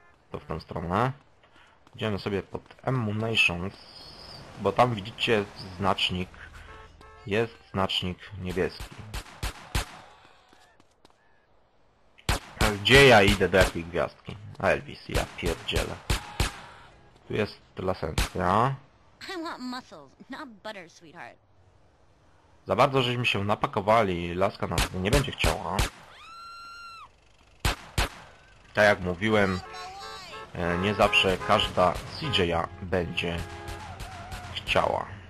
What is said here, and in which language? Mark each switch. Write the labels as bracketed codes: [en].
[pl] To w tę stronę. Idziemy sobie pod Ammunitions, bo tam widzicie znacznik. Jest znacznik niebieski. Gdzie ja idę do jakiej gwiazdki? Elvis, ja pierdzielę. Tu jest lasencja. [en] I want muscles, not butter, sweetheart. [pl] Za bardzo żeśmy się napakowali, laska nas nie będzie chciała. Tak jak mówiłem, nie zawsze każda CJ-a będzie chciała.